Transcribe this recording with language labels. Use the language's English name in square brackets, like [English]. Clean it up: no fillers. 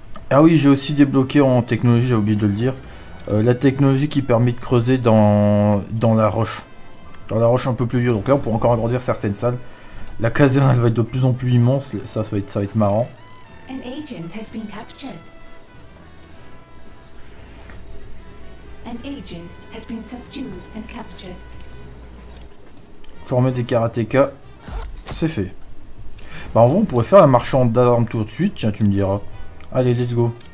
[French] Ah oui, j'ai aussi débloqué en technologie, j'ai oublié de le dire. La technologie qui permet de creuser dans la roche. Dans la roche un peu plus vieux, donc là on pourra encore agrandir certaines salles. La caserne elle va être de plus en plus immense, ça va être marrant. [English] An agent has been captured. An agent has been subdued and captured. [French] Former des karatéka, c'est fait. Bah en vrai on pourrait faire un marchand d'armes tout de suite, tiens tu me diras. Allez, [English] let's go.